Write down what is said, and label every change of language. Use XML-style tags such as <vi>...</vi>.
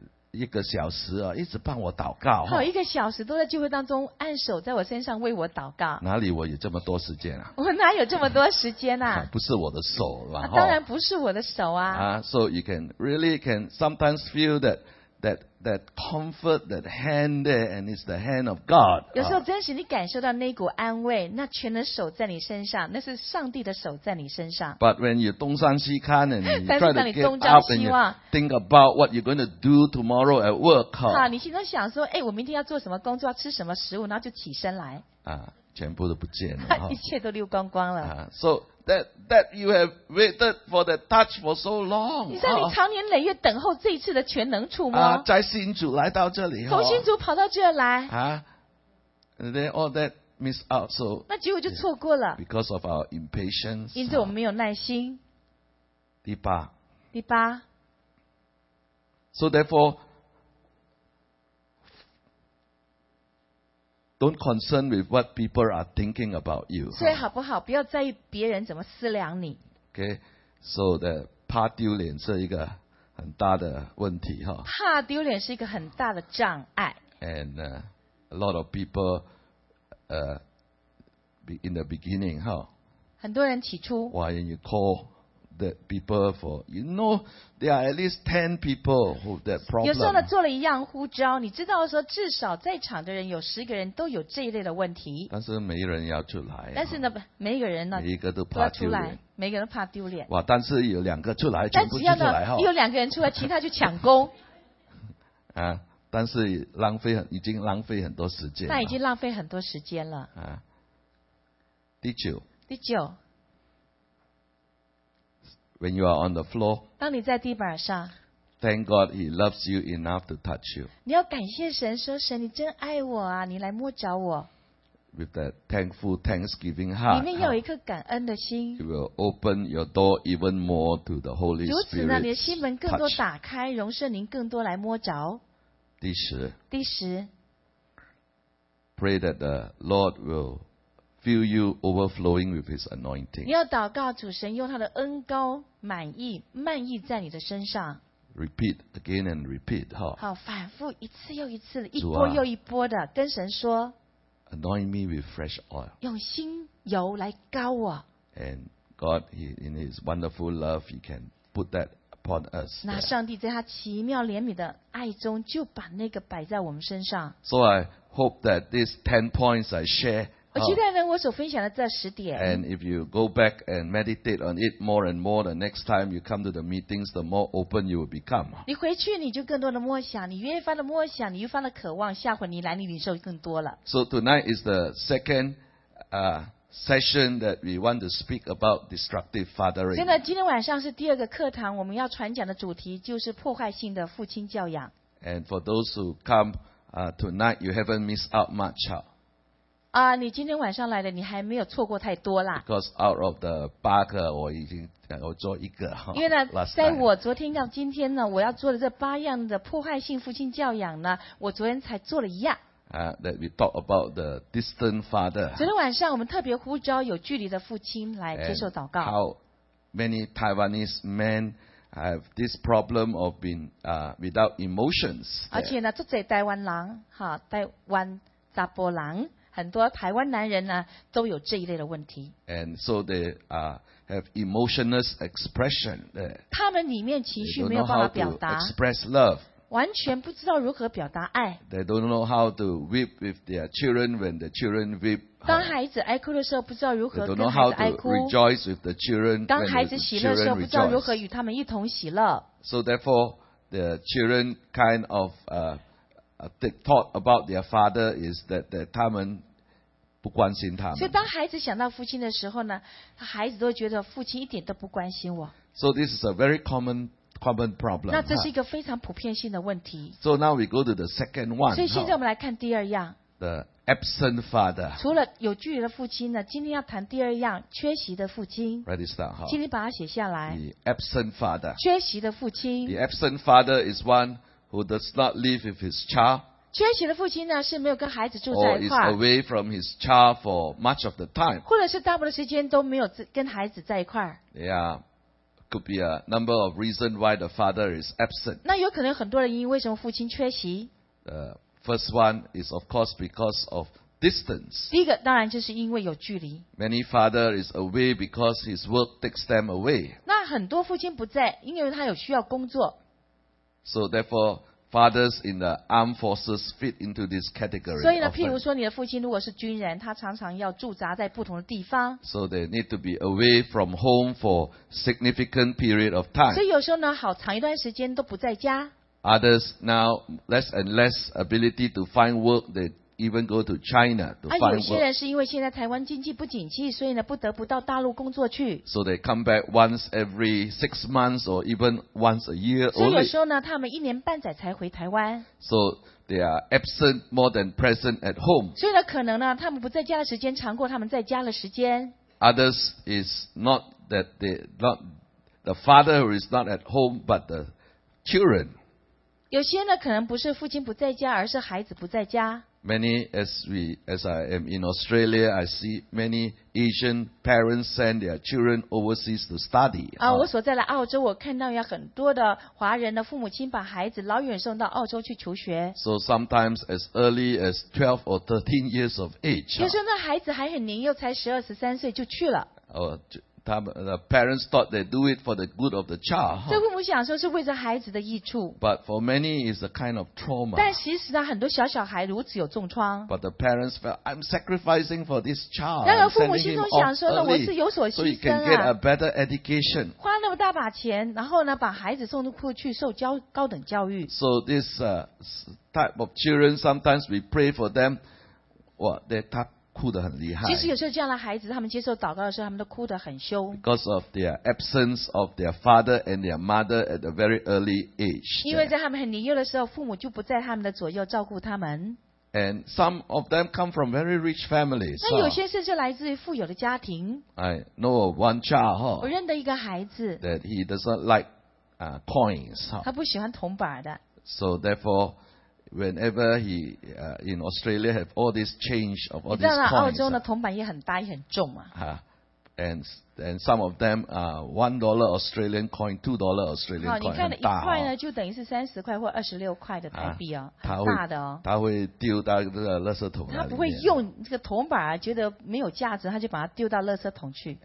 <zh>一个小时啊，一直帮我祷告哈，一个小时都在聚会当中按手在我身上为我祷告，哪里我有这么多时间啊？我哪有这么多时间啊？不是我的手啊，当然不是我的手啊。</zh> <en>So you can really can sometimes feel that comfort, that hand there, and it's the hand of God.</en> <zh>有时候真实你感受到那股安慰，那全能手在你身上，那是上帝的手在你身上。</zh> <en>But when you</en> <zh>东张西看</zh> <en>and you try to get up and you think about what you're going to do tomorrow at work,</en> <zh>你心中想说，我明天要做什么工作，要吃什么食物，然后就起身来。全部都不见了，一切都溜光光了。</zh> <en>So that you have waited for that touch for so long.</en> <zh>你在你长年累月等候这一次的全能触摸。在新竹来到这里，从新竹跑到这来。</zh> <en>Then all that miss out. So</en> <zh>那结果就错过了。</zh> <en>Because of our impatience.</en> <zh>因此我们没有耐心。第八。</zh> <en>So therefore. Don't concern with what people are thinking about you.</en> <zh>所以好不好？不要在意别人怎么思量你。</zh> <en>Okay, so the</en> <zh>怕丢脸是一个很大的问题哈。怕丢脸是一个很大的障碍。</zh> <en>And a lot of people, in the beginning,</en> <zh>很多人起初。</zh> <en>Why you call the people for? You know, there are at least 10 people who have that problem.</en> <zh>有时候呢，做了一样呼召，你知道说，至少在场的人有十个人都有这一类的问题。但是每一个人要出来。但是呢，每一个人呢，每一个都怕丢脸，每个人都怕丢脸。哇，但是有两个出来，全部出来哈。有两个人出来，其他就抢功。但是浪费已经浪费很多时间。那已经浪费很多时间了。第九。</zh> <en>When you are on the floor,</en> <zh>当你在地板上</zh> <en>thank God He loves you enough to touch you.</en> <zh>你要感谢神，说神你真爱我啊，你来摸着我。</zh> <en>With that thankful, thanksgiving heart,</en> <zh>里面要有一颗感恩的心。</zh> <en>It will open your door even more to the Holy Spirit.</en> <zh>如此呢，你的心门更多打开，容圣灵更多来摸着。第十。</zh> <en>Pray that the Lord will fill you overflowing with His anointing.</en> <zh>你要祷告主神用他的恩膏满溢在你的身上。</zh> <en>repeat again and repeat.</en> <zh>好，反复一次又一次，一波又一波的跟神说。</zh> <en>Anoint me with fresh oil.</en> <zh>用新油来膏我。</zh> <en>And God, in His wonderful love, He can put that upon us.</en> <zh>那上帝在他奇妙怜悯的爱中，就把那个摆在我们身上。</zh> <en>So I hope that these 10 points I share.</en> <zh>我期待呢，我所分享的这十点。</zh> <en>And if you go back and meditate on it more and more, the next time you come to the meetings, the more open you will become.</en> <zh>你回去你就更多的默想，你越发的默想，你越发的渴望，下回你来你领受更多了。</zh> <en>So tonight is the second, session that we want to speak about destructive fathering.</en> <zh>现在今天晚上是第二个课堂，我们要传讲的主题就是破坏性的父亲教养。</zh> <en>And for those who come, tonight, you haven't missed out much.</en> <zh>你今天晚上来的，你还没有错过太多啦。</zh> <en>Because out of the</en> <zh>8个，我已经我做一个。因为呢，在我昨天到今天呢，我要做的这八样的破坏性父亲教养呢，我昨天才做了一样。</zh> <en>That we talk about the distant father。</en> <zh>昨天晚上我们特别呼召有距离的父亲来接受祷告。</zh> <en>How many Taiwanese men have this problem of being without emotions？</en> <zh>而且呢，这些台湾人，哈，台湾查甫人。很多台湾男人呢都有这一类的问题。</zh> <en>And so they have emotionless expression.</en> <zh>他们里面情绪没有办法表达。</zh> <en>Express love.</en> <zh>完全不知道如何表达爱。</zh> <en>They don't know how to weep with their children when the children weep.</en> <zh>当孩子哭的时候不知道如何跟孩子哭。</zh> <en>They don't know how to rejoice with the children.</en> <zh>当孩子喜乐的时候不知道如何与他们一同喜乐。</zh> <en>So therefore, the children kind of thought about their father is that</en> <zh>他们不关心他们。所以当孩子想到父亲的时候呢，孩子都觉得父亲一点都不关心我。</zh> <en>So this is a very common problem.</en> <zh>那这是一个非常普遍性的问题。</zh> <en>So now we go to the second one.</en> <zh>所以现在我们来看第二样。</zh> <en>The absent father.</en> <zh>除了有距离的父亲呢，今天要谈第二样，缺席的父亲。</zh> <en>Write this down.</en> <zh>请你把它写下来。</zh> <en>The absent father.</en> <zh>缺席的父亲。</zh> <en>The absent father is one. Who does not live with his child?</en> <zh>缺席的父亲呢是没有跟孩子住在一块。</zh> <en>Or is away from his child for much of the time.</en> <zh>或者是大部分的时间都没有跟孩子在一块。</zh> <en>Yeah, could be a number of reasons why the father is absent.</en> <zh>那有可能很多人因为什么父亲缺席？</zh> <en>First one is of course because of distance.</en> <zh>第一个当然就是因为有距离。</zh> <en>Many father is away because his work takes them away.</en> <zh>那很多父亲不在，因为他有需要工作。</zh> <en>So therefore, fathers in the armed forces fit into this category.</en> <zh>所以呢，譬如说，你的父亲如果是军人，他常常要驻扎在不同的地方。</zh> <en>So they need to be away from home for significant period of time.</en> <zh>所以有时候呢，好长一段时间都不在家。</zh> <en>Others now less and less ability to find work. They even go to China to find work.</en> <zh>有些人是因为现在台湾经济不景气，所以呢，不得不到大陆工作去。</zh> <en>So they come back once every 6 months or even once a year.</en> <zh>所以有时候呢，他们一年半载才回台湾。</zh> <en>So they are absent more than present at home.</en> <zh>所以呢，可能呢，他们不在家的时间长过他们在家的时间。</zh> <en>Others is not that they not the father who is not at home, but the children.</en> <zh>有些呢，可能不是父亲不在家，而是孩子不在家。</zh> <en>Many as I am in Australia, I see many Asian parents send their children overseas to study.</en> <zh>我所在的澳洲，我看到有很多的华人的父母亲把孩子老远送到澳洲去求学。</zh> <en>So sometimes as early as 12 or 13 years of age.</en> <zh>有时候那孩子还很年幼，才12、13岁就去了。</zh> <en>The parents thought they do it for the good of the child.</en> <zh>这父母想说是为着孩子的益处。</zh> <en>But for many, it's a kind of trauma.</en> <zh>但其实呢，很多小小孩如此有重创。</zh> <en>But the parents felt I'm sacrificing for this child.</en> <zh>那个父母心中想说呢，我是有所牺牲啊。</zh> <en>So he can get a better education.</en> <zh>花那么大把钱，然后呢，把孩子送出去受高等教育。</zh> <en>So this type of children, sometimes we pray for them. What they talk.</en> <zh>哭得很厉害。其实有时候这样的孩子，他们接受祷告的时候，他们都哭得很羞。</zh> <en>Because of their absence of their father and their mother at a very early age.</en> <zh>因为在他们很年幼的时候，父母就不在他们的左右照顾他们。</zh> <en>And some of them come from very rich families.</en> <zh>那有些甚至来自于富有的家庭。</zh> <en>I know of one child,</en> <zh>我认得一个孩子。</zh> <en>That he does not like coins.</en> <zh>他不喜欢铜板的。</zh> <en>So therefore. Whenever he in Australia have all this change of all these coins,</en> <zh>你知道吗？澳洲的铜板也很大，也很重啊。</zh> <en>and some of them are $1 Australian coin, $2 Australian coin,</en> <zh>你看的一块呢, 就等于是30块或26块的台币, 很大的哦。他会丢到垃圾桶那里面。他不会用这个铜板, 觉得没有价值, 他就把它丢到垃圾桶去。</zh>